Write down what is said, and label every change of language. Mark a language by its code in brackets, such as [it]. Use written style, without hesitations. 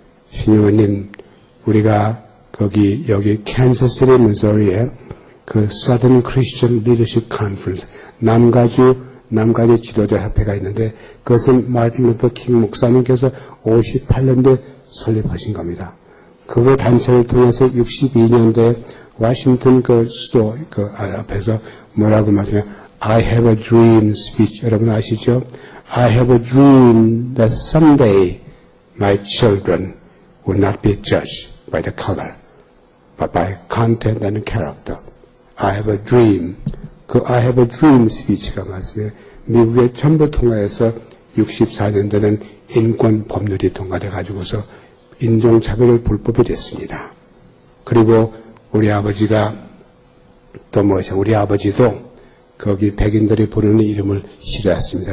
[ko] 신임원님, 우리가 거기 여기 캔서스리 미소리에 그 Southern Christian Leadership Conference 남가주 지도자 협회가 있는데 그것은 마틴 루터 킹 목사님께서 58년도에 설립하신 겁니다. 그거 단체를 통해서 62년도에 워싱턴 그 수도 그 앞에서 뭐라고 말씀해요? [en] I have a dream speech. [ko] 여러분 아시죠? [en] I have a dream that someday my children will not be judged by the color, but by content and character. I have a dream. 그 I have a dream speech가 말씀해요. [ko] 미국의 전부 통화에서 64년도는 인권 법률이 통과돼가지고서 인종차별을 불법이 됐습니다. 그리고 우리 아버지가 또 뭐죠? 우리 아버지도 거기 백인들이 부르는 이름을 싫어했습니다.